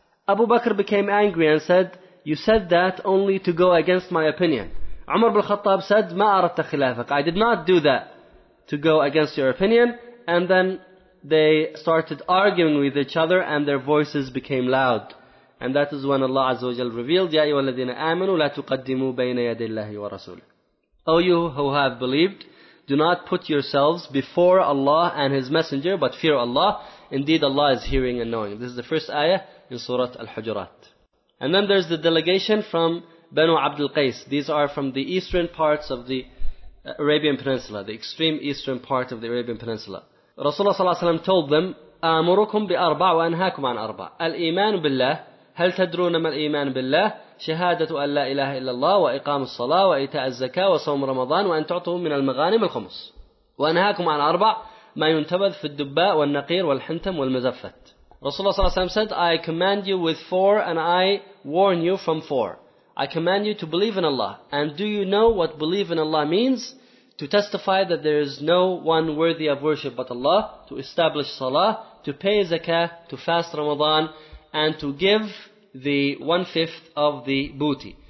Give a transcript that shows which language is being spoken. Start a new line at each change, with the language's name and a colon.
English: Abu Bakr became angry and said, you said that only to go against my opinion. Umar bin Khattab said,
Arabic: ما أردت خلافك.
English: I did not do that to go against your opinion. And then they started arguing with each other, and their voices became loud. And that is when Allah Azza wa Jal revealed,
Arabic: يا أيها الذين آمنوا لا تقدموا بين يدي الله ورسوله.
English: O you who have believed, do not put yourselves before Allah and His Messenger, but fear Allah. Indeed, Allah is hearing and knowing. This is the first ayah in Surah Al-Hujurat. And then there's the delegation from Banu Abdul Qais. These are from the eastern parts of the Arabian Peninsula, the extreme eastern part of the Arabian Peninsula.
Arabic: Rasulullah sallallahu alaihi wasallam told them, أَمُرُكُمْ بِأَرْبَعُ وَأَنْهَاكُمْ عَنْ أَرْبَعُ الْإِيمَانُ بِاللَّهِ هل تدرون ما الإيمان بالله شهادة أن لا إله إلا الله وإقام الصلاة وإيتاء الزكاة وصوم رمضان وأن تعطوا من المغانم الخمس وأنهاكم عن أربع ما ينتبذ في الدباء والنقير والحنتم والمزفت. رسول الله صلى الله عليه وسلم
English: said, I command you with four and I warn you from four. I command you to believe in Allah. And do you know what believe in Allah means? To testify that there is no one worthy of worship but Allah, to establish salah, to pay zakah, to fast Ramadan, and to give the one-fifth of the booty.